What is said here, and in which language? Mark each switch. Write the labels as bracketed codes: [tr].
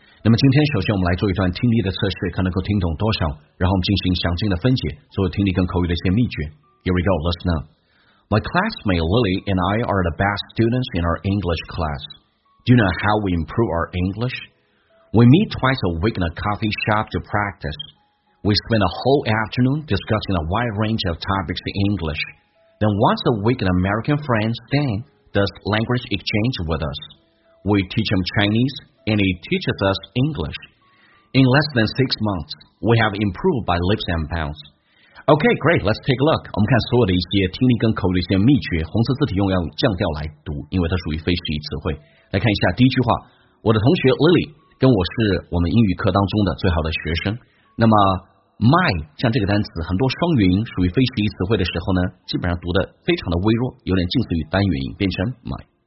[zh] 那么今天首先我们来做一段听力的测试，看能够听懂多少，然后我们进行详尽的分解，作为听力跟口语的一些秘诀。 [en] Here we go, listen up. My classmate Lily and I are the best students in our English class. Do you know how we improve our English? We meet twice a week in a coffee shop to practice. We spend a whole afternoon discussing a wide range of topics in English. Then once a week, an American friend, Stan, does language exchange with us. We teach him Chinese, and he teaches us English. In less than 6 months, we have improved by leaps and bounds. Okay, great, let's take a look. [zh] 我们看所有的一些听力跟口语的一些秘诀，红色字体用要降调来读，因为它属于非语义词汇。来看一下第一句话，我的同学 Lily 跟我是我们英语课当中的最好的学生。那么My 像这个单词，很多双元音属于非语义词汇的时候呢，基本上读的非常的微弱，有点近似于单元音，变成 my。